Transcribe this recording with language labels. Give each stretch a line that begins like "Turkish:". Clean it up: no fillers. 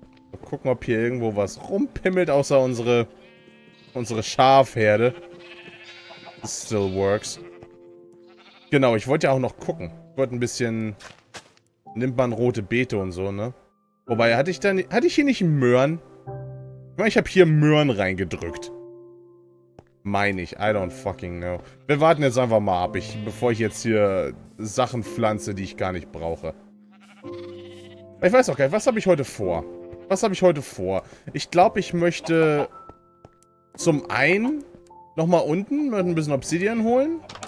German: Mal gucken, ob hier irgendwo was rumpimmelt, außer unsere Schafherde.
English: Still works.
German: Genau, ich wollte ja auch noch gucken. Ich wollte ein bisschen. Nimmt man rote Beete und so, ne? Wobei, hatte ich hier nicht Möhren? Ich meine, ich habe hier Möhren reingedrückt. Meine ich.
English: I don't fucking know.
German: Wir warten jetzt einfach mal ab, bevor ich jetzt hier Sachen pflanze, die ich gar nicht brauche. Ich weiß auch gar nicht, was habe ich heute vor? Was habe ich heute vor? Ich glaube, ich möchte zum einen nochmal unten ein bisschen Obsidian holen.